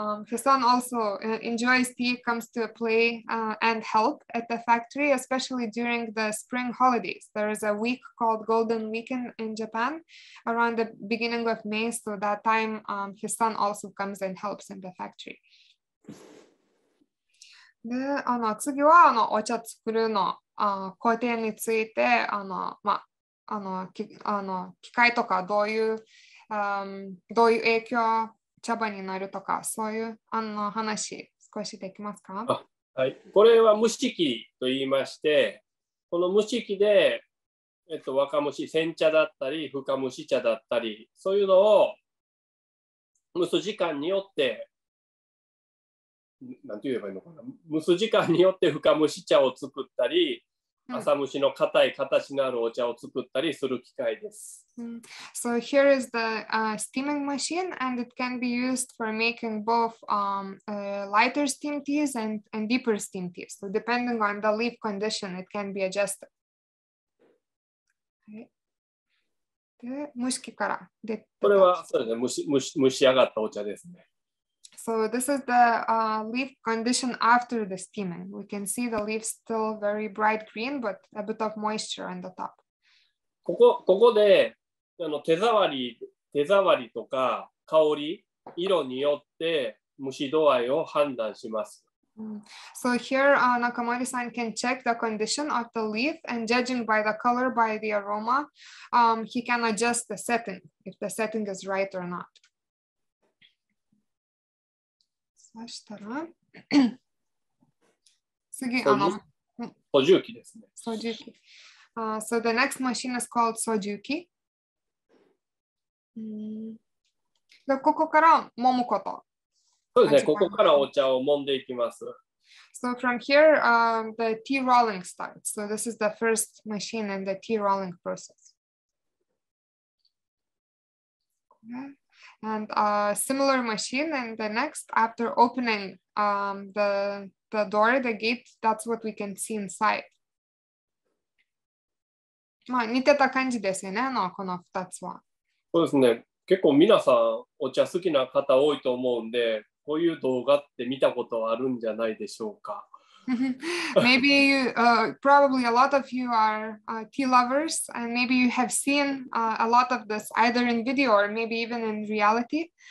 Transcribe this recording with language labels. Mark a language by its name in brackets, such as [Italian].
[English] His son also enjoys tea, comes to play and help at the factory, especially during the spring holidays. There is a week called Golden Weekend in Japan around the beginning of May. So that time his son also comes and helps in the factory. [Japanese] で、あの、次はあの、お茶作るの、あ、工程について、あの、ま、あの、き、あの、機械とかどういう、どういう影響茶葉になるとか、そういうあの話少しできますか？あ、はい、これは蒸し器と言いまして、この蒸し器で、若蒸し煎茶だったり深蒸し茶だったり、そういうのを蒸す時間によって、なんて言えばいいのかな、蒸す時間によって深蒸し茶を作ったり、浅蒸しの硬い形のあるお茶を作ったりする機械です。 [English] So here is the steaming machine, and it can be used for making both lighter steam teas and deeper steam teas. So depending on the leaf condition, it can be adjusted. [Japanese] で、蒸し器から出て。これはそうですね、蒸し上がったお茶ですね。 [English] So this is the leaf condition after the steaming. We can see the leaves still very bright green, but a bit of moisture on the top. [Japanese] ここで、あの、手触りとか香り、色によって蒸し度合いを判断します。 [English] So here, Nakamori-san can check the condition of the leaf, and judging by the color, by the aroma, he can adjust the setting, if the setting is right or not. [Japanese] そしたら次、あの、ソジュキですね。 [English] ソジュキ。So the next machine is called ソジュキ。 [Japanese] で、ここから揉むこと。そうですね、ここからお茶を揉んでいきます。 [English] So from here, the tea rolling starts. So this is the first machine in the tea rolling process. And a similar machine, and the next, after opening the door, the gate, that's what we can see inside. [Japanese] まあ、似てた感じですよね、あの、この2つは。そうですね。結構皆さん、お茶好きな方多いと思うんで、こういう動画って見たことあるんじゃないでしょうか。 [English] Maybe you, probably a lot of you are tea lovers, and maybe you have seen a lot of this either in video or maybe even in reality.